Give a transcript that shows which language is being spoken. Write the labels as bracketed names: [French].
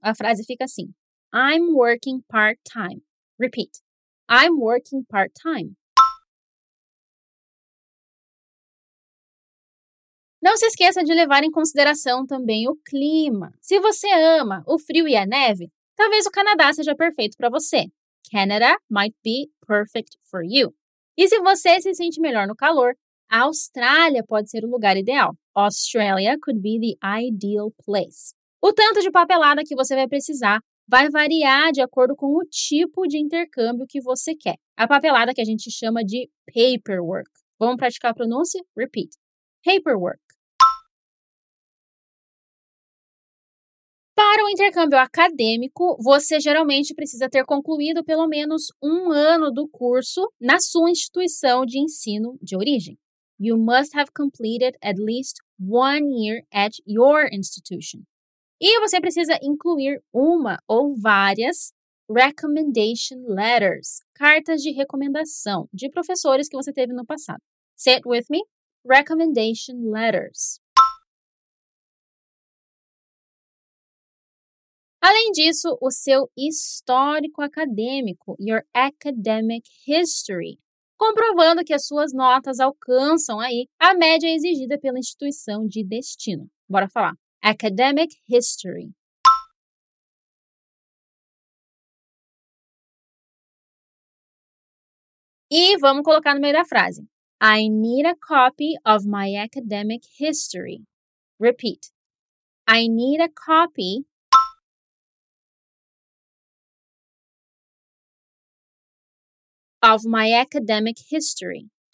[Portuguese] A frase fica assim. [English] I'm working part-time. Repeat. I'm working part-time. [Portuguese] Não se esqueça de levar em consideração também o clima. Se você ama o frio e a neve, talvez o Canadá seja perfeito para você. [English] Canada might be perfect for you. [Portuguese] E se você se sente melhor no calor, a Austrália pode ser o lugar ideal. [English] Australia could be the ideal place. [Portuguese] O tanto de papelada que você vai precisar vai variar de acordo com o tipo de intercâmbio que você quer. A papelada que a gente chama de paperwork. Vamos praticar a pronúncia? Repeat. Paperwork. Para um intercâmbio acadêmico, você geralmente precisa ter concluído pelo menos um ano do curso na sua instituição de ensino de origem. [English] You must have completed at least one year at your institution. [Portuguese] E você precisa incluir uma ou várias [English] recommendation letters, [Portuguese] cartas de recomendação de professores que você teve no passado. [English] Say it with me. Recommendation letters. [Portuguese] Além disso, o seu histórico acadêmico, [English] your academic history, [Portuguese] comprovando que as suas notas alcançam aí a média exigida pela instituição de destino. Bora falar. [English] Academic history. [Portuguese] E vamos colocar no meio da frase. [English] I need a copy of my academic history. Repeat. I need a copy. Of my academic history.